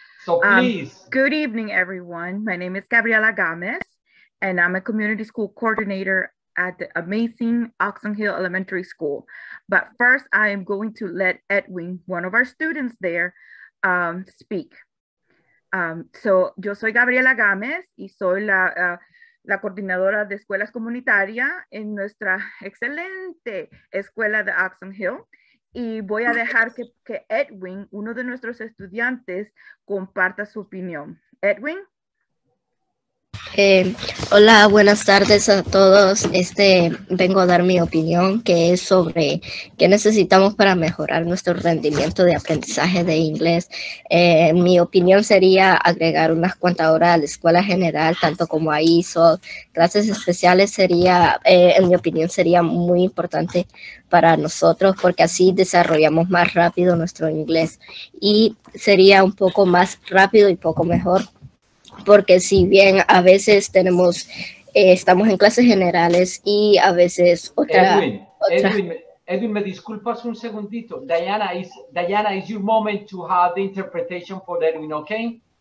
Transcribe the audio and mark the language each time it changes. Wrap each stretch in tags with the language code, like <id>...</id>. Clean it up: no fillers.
<en>So please. Good evening, everyone. My name is Gabriela Gomez, and I'm a community school coordinator at the amazing Oxon Hill Elementary School. But first, I am going to let Edwin, one of our students there, speak.</en> <es>So, yo soy Gabriela Gámez y soy la coordinadora de escuelas comunitarias en nuestra excelente escuela de Oxon Hill. Y voy a dejar que Edwin, uno de nuestros estudiantes, comparta su opinión. Edwin. Hola, buenas tardes a todos. Vengo a dar mi opinión, que es sobre qué necesitamos para mejorar nuestro rendimiento de aprendizaje de inglés. Mi opinión sería agregar unas cuantas horas a la escuela general, tanto como a ESOL. Clases especiales sería, en mi opinión, sería muy importante para nosotros, porque así desarrollamos más rápido nuestro inglés y sería un poco más rápido y poco mejor. Porque si bien a veces tenemos, estamos en clases generales y a veces otra. Edwin, me disculpas un segundito.</es> <en>Diana, is your moment to have the interpretation for Edwin, okay?</en>